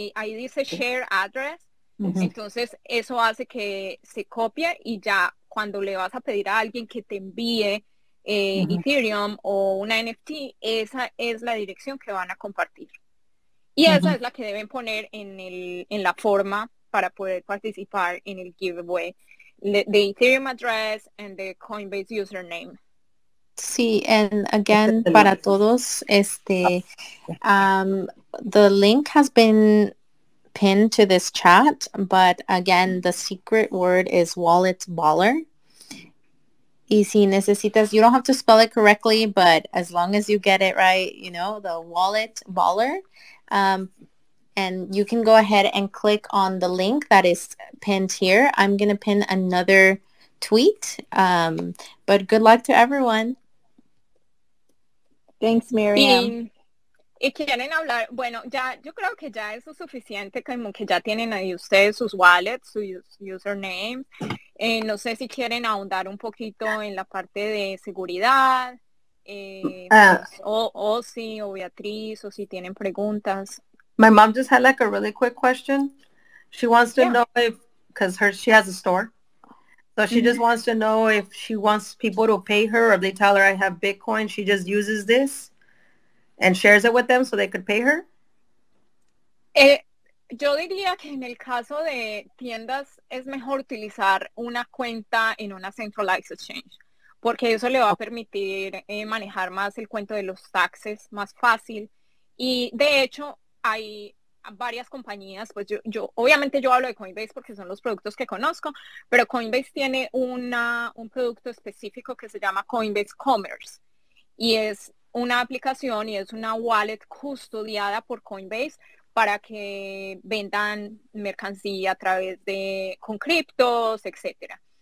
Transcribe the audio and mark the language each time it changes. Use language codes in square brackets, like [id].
[es] Ahí dice share address. Uh-huh. Entonces eso hace que se copie y ya cuando le vas a pedir a alguien que te envíe uh-huh. Ethereum o una NFT, esa es la dirección que van a compartir. Y esa uh-huh. es la que deben poner en la forma para poder participar en el giveaway. [en] The Ethereum address and the Coinbase username. Sí, and again, [es] para todos, [en] the link has been pinned to this chat, but again, the secret word is wallet baller. [es] Y si necesitas, [en] you don't have to spell it correctly, but as long as you get it right, you know, the wallet baller. And you can go ahead and click on the link that is pinned here. I'm going to pin another tweet. But good luck to everyone. Thanks, Miriam. [es] Y quieren hablar, bueno, ya, yo creo que ya eso es suficiente, como que ya tienen ahí ustedes sus wallets, su username. No sé si quieren ahondar un poquito en la parte de seguridad, o si, o Beatriz, o si tienen preguntas. [en] My mom just had like a really quick question. She wants to know if, because she has a store, so So she just wants to know if she wants people to pay her, or if they tell her, I have Bitcoin, she just uses this and shares it with them so they could pay her? [es] Yo diría que en el caso de tiendas es mejor utilizar una cuenta en una [en] centralized exchange, [es] porque eso le va a permitir manejar más el cuento de los taxes más fácil. Y de hecho, hay varias compañías, pues yo obviamente yo hablo de Coinbase porque son los productos que conozco, pero Coinbase tiene un producto específico que se llama Coinbase Commerce, y es una aplicación y es una wallet custodiada por Coinbase para que vendan mercancía a través de, con criptos, etcétera.